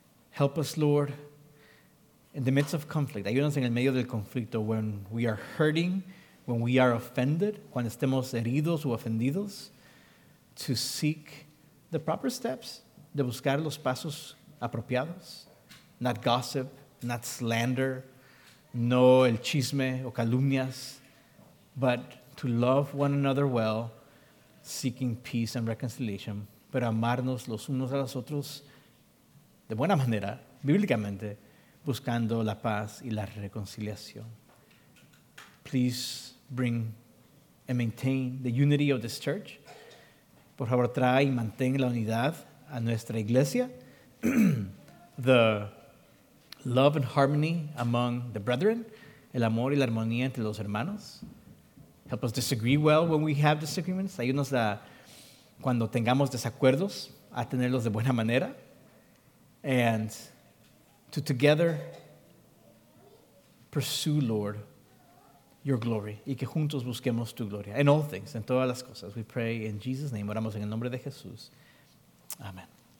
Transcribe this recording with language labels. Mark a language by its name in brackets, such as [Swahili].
[English] Help us, Lord, in the midst of conflict. [Spanish] Ayúdanos en el medio del conflicto. [English] When we are hurting, when we are offended, cuando estemos heridos o ofendidos, to seek the proper steps, de buscar los pasos apropiados. Not gossip, not slander, no el chisme o calumnias, but to love one another well, seeking peace and reconciliation. [Spanish] Pero amarnos los unos a los otros de buena manera, bíblicamente, buscando la paz y la reconciliación. [English] Please bring and maintain the unity of this church. [Spanish] Por favor, trae y mantén la unidad a nuestra iglesia. [English] The love and harmony among the brethren, el amor y la armonía entre los hermanos. Help us disagree well when we have disagreements. [Spanish] Ayúdanos a cuando tengamos desacuerdos, a tenerlos de buena manera. [English] And to together pursue, Lord, your glory. [Spanish] Y que juntos busquemos tu gloria. In all things, en todas las cosas. We pray in Jesus' name. Oramos en el nombre de Jesús. Amen.